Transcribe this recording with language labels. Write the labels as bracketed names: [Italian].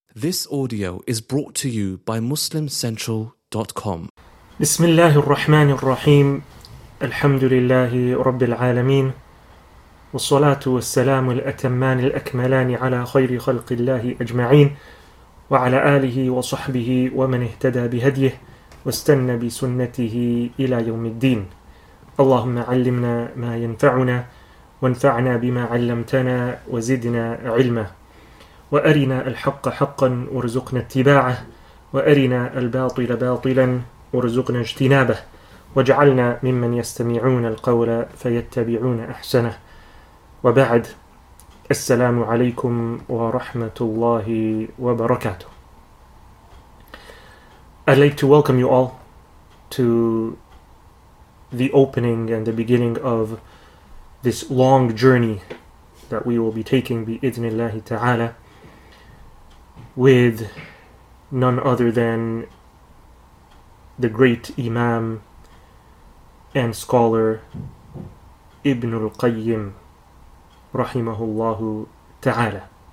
[English] This audio is brought to you by MuslimCentral.com. [Arabic] بسم الله الرحمن الرحيم الحمد لله رب العالمين والصلاة والسلام الأتمان الأكملان على خير خلق الله أجمعين وعلى آله وصحبه ومن اهتدى بهديه واستنى بسنته إلى يوم الدين. اللهم علمنا ما ينفعنا وانفعنا بما علمتنا وزدنا علما وأرنا الحق حقا وارزقنا اتباعه وأرنا الباطل باطلا وارزقنا اجتنابه واجعلنا ممن يستمعون القول فيتبعون أحسنه وبعد السلام عليكم ورحمة الله وبركاته. [English] I'd like to welcome you all to the opening and the beginning of this long journey that we will be taking [Arabic] بإذن الله تعالى [English] with none other than the great Imam and scholar Ibn al-Qayyim rahimahullahu ta'ala.